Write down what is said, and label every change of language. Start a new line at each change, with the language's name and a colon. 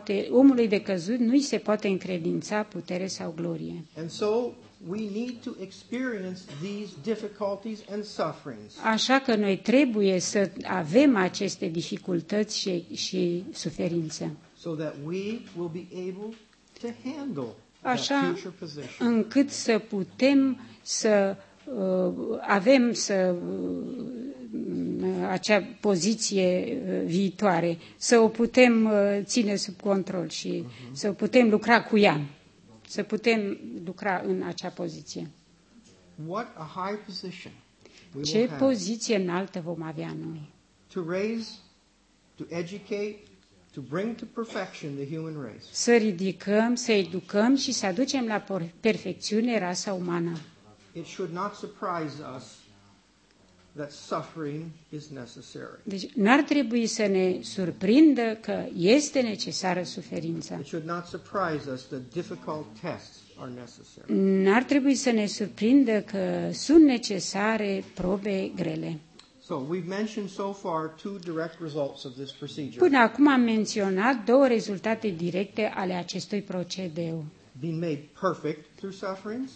Romanian: Omului decăzut nu îi se poate încredința putere sau glorie.
English: And so we need to experience these difficulties and sufferings.
Romanian: Așa că noi trebuie să avem aceste dificultăți și suferințe.
English: So that we will be able to handle
Romanian: Așa încât să putem să avem să acea poziție viitoare, să o putem ține sub control și să putem lucra cu ea, să putem lucra în acea poziție.
English: What a high position
Romanian: Ce poziție înaltă vom avea noi?
English: To raise, to educate, to bring to perfection the human race.
Romanian: Să ridicăm, să educăm și să aducem la perfecțiune rasa umană.
English: It should not surprise us that suffering is necessary.
Romanian: Deci n-ar trebui să ne surprindă că este necesară suferința.
English: It should not surprise us that difficult tests are necessary.
Romanian: N-ar trebui să ne surprindă că sunt necesare probe grele.
English: So we've mentioned so far two direct results of this procedure.
Romanian: Până acum am menționat două rezultate directe ale acestui procedeu.
English: Being made perfect through sufferings.